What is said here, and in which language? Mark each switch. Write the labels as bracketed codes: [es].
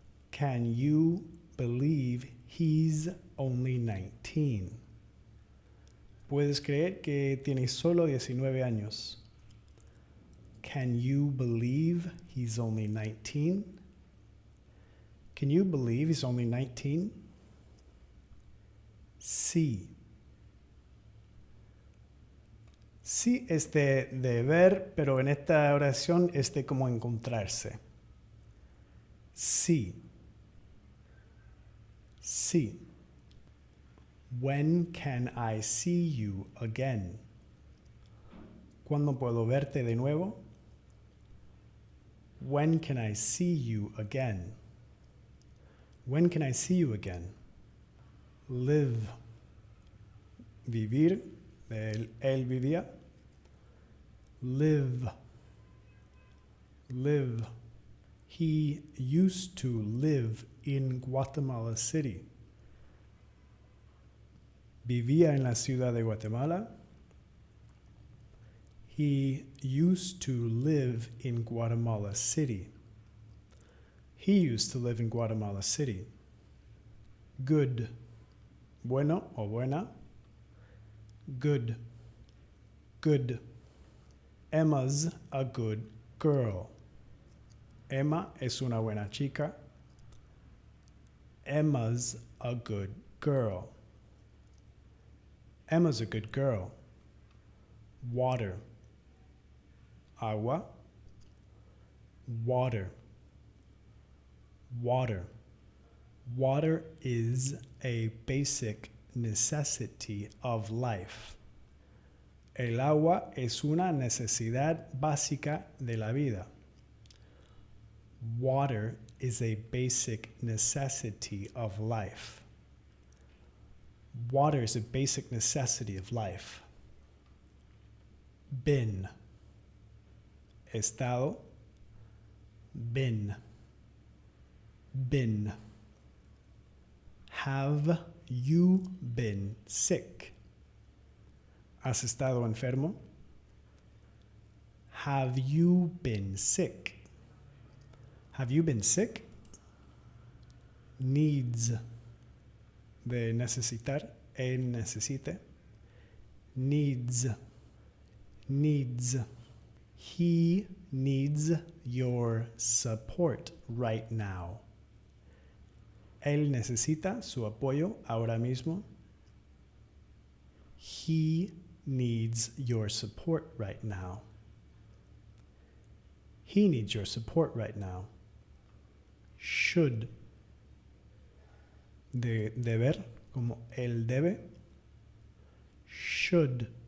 [en] Can you believe he's only 19? [es] ¿Puedes creer que tiene solo 19 años? [en] Can you believe he's only 19? Can you believe he's only 19? [es] Sí. Sí es de ver, pero en esta oración es de cómo encontrarse. Sí. [en] Sí. When can I see you again? [es] ¿Cuándo puedo verte de nuevo? [en] When can I see you again? When can I see you again? Live. Vivir. [es] Él vivía. Live. Live. [en] He used to live in Guatemala City. [es] Vivía en la ciudad de Guatemala. [en] He used to live in Guatemala City. He used to live in Guatemala City. Good. [es] Bueno o buena. [en] Good. Good. Emma's a good girl. [es] Emma es una buena chica. [en] Emma's a good girl. Emma's a good girl. Water. Agua. Water. Water. Water is a basic necessity of life. [es] El agua es una necesidad básica de la vida. [en] Water is a basic necessity of life. Water is a basic necessity of life. Been. Estado. Been. Been. Have you been sick? [es] ¿Has estado enfermo? [en] Have you been sick? Have you been sick? Needs. [es] De necesitar. Él necesite. Needs. Needs. [en] He needs your support right now. [es] Él necesita su apoyo ahora mismo. [en] He needs your support right now. He needs your support right now. Should. [es] Deber, como él debe. Should.